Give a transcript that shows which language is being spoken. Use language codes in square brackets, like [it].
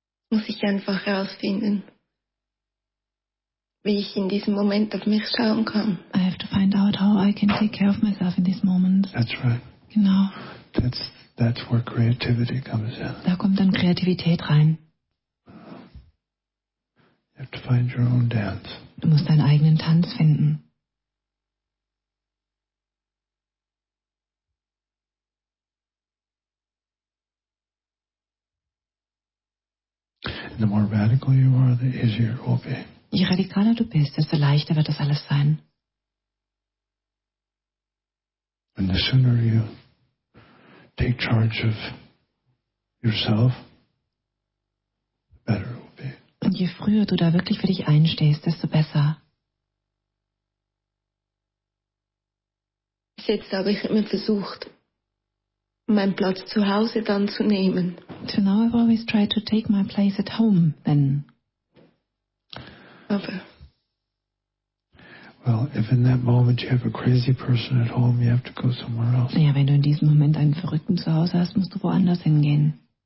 [de] Muss ich einfach herausfinden, wie ich in diesem Moment auf mich schauen kann. [en] I have to find out how I can take care of myself in this moment. That's right. [de] Genau. [en] That's where creativity comes in. [de] Da kommt dann Kreativität rein. [en] You have to find your own dance. [de] Du musst deinen eigenen Tanz finden. [en] The more radical you are, the easier it will be. [de] Je radikaler du bist, desto leichter wird das alles sein. [en] And the sooner you take charge of yourself, the better it will be. [de] Und je früher du da wirklich für dich einstehst, desto besser. Bis jetzt habe ich immer versucht, meinen Platz zu Hause dann zu nehmen. [en] So now I've always tried to take my place at home, then. [de] Aber. [en] Well, if in that moment you have a crazy person at home, you have to go somewhere else. [de] Ja, wenn du in diesem Moment einen Verrückten zu Hause hast, musst du woanders hingehen.